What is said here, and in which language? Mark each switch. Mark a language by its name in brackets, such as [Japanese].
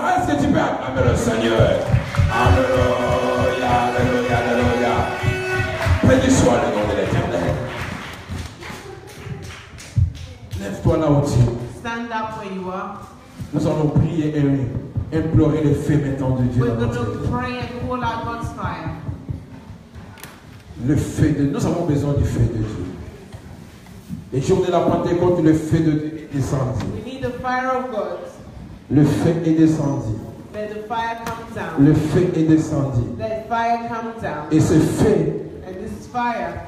[French] Est-ce que tu peux acclamer le Seigneur? Alléluia, alléluia, alléluia. Béni soit le nom de l'Éternel. Lève-toi là où tu es. [English] Stand up where you are. [French] Nous allons prier et implorer le feu maintenant de Dieu. [English] We're going to pray and call out God's fire. [French] Le feu de Dieu. Nous avons besoin du feu de Dieu. Les jours de la Pentecôte, le feu de Dieu est descendu. [English] We need the fire of God. [French] Le feu est descendu. [English] Let the fire come down. [French] Le feu est descendu. [English] Let the fire come down. [French] Et ce feu [English] and this fire